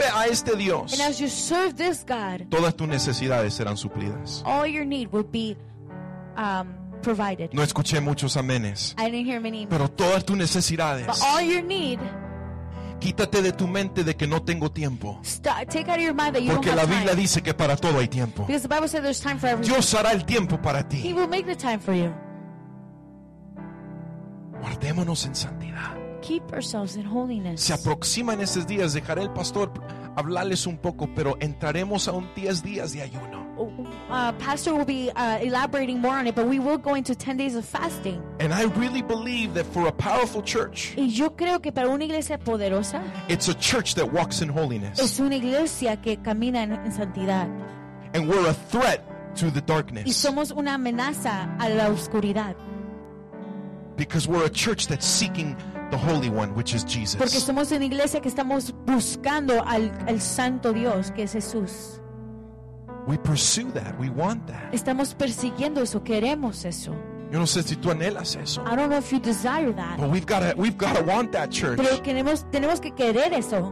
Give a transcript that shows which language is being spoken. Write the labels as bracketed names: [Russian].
[Spanish] Sirve a este Dios [English] and as you serve this God, [Spanish] todas tus necesidades serán suplidas [English] all your need will be provided. [Spanish] No escuché muchos amenes. [English] I didn't hear many. [Spanish] Pero todas tus necesidades. [English] But all your need. [Spanish] Quítate de tu mente de que no tengo tiempo. [English] Stop, take out of your mind that you [Spanish] porque [English] don't have [Spanish] la Biblia [English] time. [Spanish] Dice que para todo hay tiempo. [English] Because the Bible says there's time for everything. [Spanish] Dios hará el tiempo para ti. [English] He will make the time for you. [Spanish] Guardémonos en santidad. [English] Keep ourselves in holiness. [Spanish] Se aproxima en estos días, dejaré el pastor hablarles un poco, pero entraremos a un 10 días de ayuno. [English] Pastor will be elaborating more on it, but we will go into 10 days of fasting. And I really believe that for a powerful church, [Spanish] y yo creo que para una iglesia poderosa, [English] it's a church that walks in holiness. [Spanish] Es una iglesia que camina en santidad. [English] And we're a threat to the darkness. [Spanish] Y somos una amenaza a la oscuridad. [English] Because we're a church that's seeking the Holy One, which is Jesus. [Spanish] Porque somos una iglesia que estamos buscando al Santo Dios, que es Jesús. [English] We pursue that. We want that. [Spanish] Estamos persiguiendo eso. Queremos eso. Yo no sé si tú anhelas eso. [English] I don't know if you desire that. But we've got to want that church. [Spanish] Pero tenemos que querer eso.